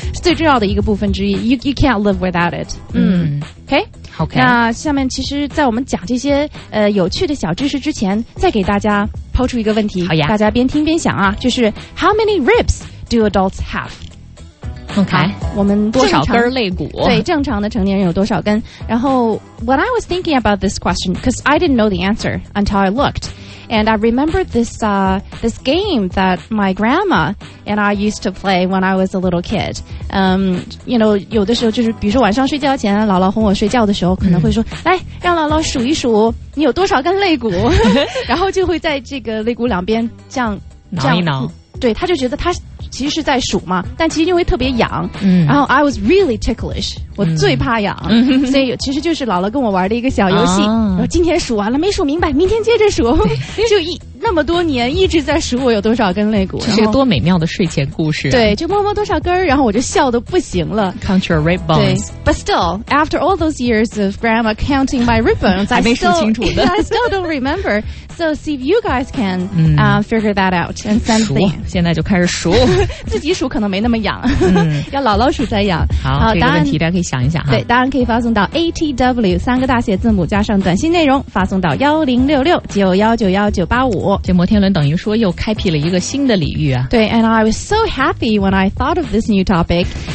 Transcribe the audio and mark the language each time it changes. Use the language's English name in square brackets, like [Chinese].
[Chinese] 最重要的一个部分之一。 [English] You can't live without it. Okay. OK， [Chinese] 那下面其实在我们讲这些有趣的小知识之前，再给大家抛出一个问题，好呀，大家边听边想啊，就是 [English] How many ribs do adults have？ OK， [Chinese] 我们多少根肋骨？对，正常的成年人有多少根？然后 [English] ，When I was thinking about this question, because I didn't know the answer until I looked, and I remembered this this game that my grandma and I used to play when I was a little kid. You know, [Chinese] 有的时候就是，比如说晚上睡觉前，姥姥哄我睡觉的时候，可能会说，来，让姥姥数一数你有多少根肋骨，然后就会在这个肋骨两边这样挠一挠。对，他就觉得他其实是在数嘛，但其实因为特别痒，嗯，然后 [English] I was really ticklish， [Chinese] 我最怕痒，嗯，所以其实就是姥姥跟我玩的一个小游戏，啊，然后今天数完了没数明白，明天接着数，就一那么多年一直在数我有多少根肋骨，这是个多美妙的睡前故事，啊，对，就摸摸多少根，然后我就笑得不行了。 [English] Count your rib bones. But still, after all those years of grandma counting my rib bones, [Chinese] 还没数清楚的 [English] I still don't remember. So see if you guys can figure that out and send me. [Chinese] 现在就开始数，自己数可能没那么痒，要姥姥数再痒。好，这个问题大家可以想一想哈。对，答案可以发送到 ATW 三个大写字母加上短信内容，发送到10669191985。这摩天轮等于说又开辟了一个新的领域啊。对， [English] and I was so happy when I thought of this new topic.